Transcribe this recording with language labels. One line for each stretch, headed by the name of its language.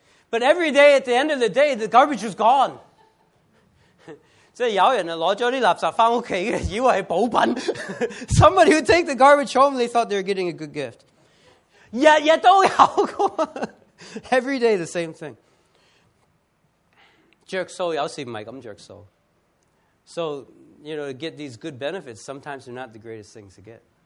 English: But every day at the end of the day, the garbage was gone.
Cantonese: 即係有人攞咗啲垃圾翻屋企嘅，以為係補品。
English: Somebody would take the garbage home, they thought they were getting a good gift.
Cantonese: 日日都有個
English: Every day the same thing.
Cantonese: 著數有時唔係咁著數.
English: So, you know, to get these good benefits, sometimes they're not the greatest things to get.